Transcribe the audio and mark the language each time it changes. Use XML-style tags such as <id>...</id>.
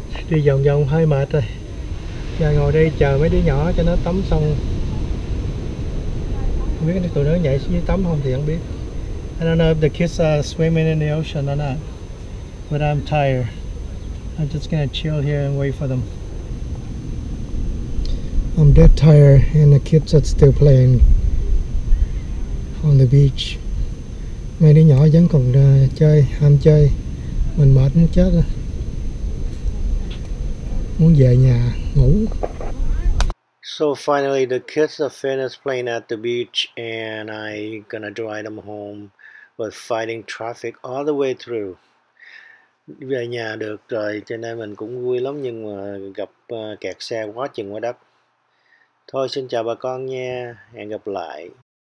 <vi>đi vòng vòng hơi mệt rồi, giờ ngồi đây chờ mấy đứa nhỏ cho nó tắm xong. Không biết tụi nó nhảy xuống dưới tắm không thì không biết.</vi> <en>I don't know if the kids are swimming in the ocean or not, but I'm tired. I'm just gonna chill here and wait for them. I'm dead tired and the kids are still playing on the beach.</en> <vi>Mấy đứa nhỏ vẫn còn chơi, ham chơi. Mình mệt muốn chết rồi. Muốn về nhà ngủ.</vi> <en>So finally the kids are finished playing at the beach and I gonna drive them home. But fighting traffic all the way through.</en> <vi>Về nhà được rồi, cho nên mình cũng vui lắm nhưng mà gặp kẹt xe quá chừng quá đất. Thôi xin chào bà con nha, hẹn gặp lại.</vi>